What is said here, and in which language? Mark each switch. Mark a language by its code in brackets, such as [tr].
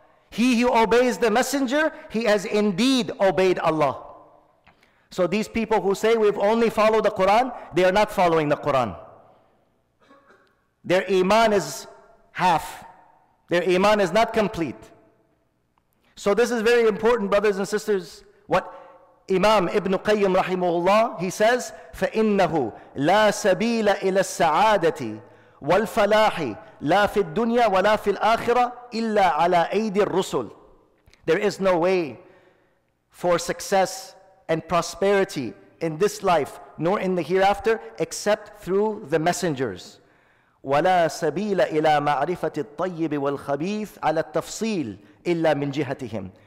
[en] He who obeys the Messenger, he has indeed obeyed Allah. So these people who say we've only followed the Quran, they are not following the Quran. Their iman is half. Their iman is not complete. So this is very important, brothers and sisters. What Imam Ibn Qayyim rahimahullah, he says, [ar] فَإِنَّهُ لَا سَبِيلَ إِلَى السَّعَادَةِ وَالْفَلَاحِ لَا فِي الدُّنْيَا وَلَا فِي الْآخِرَةِ إِلَّا عَلَىٰ أَيْدِ الرُّسُلِ. [en] There is no way for success and prosperity in this life nor in the hereafter except through the messengers. [ar] وَلَا سَبِيلَ إِلَىٰ مَعْرِفَةِ الطَّيِّبِ وَالْخَبِيثِ عَلَى التَّفْصِيلِ إِلَّا مِنْ جِهَتِهِمْ.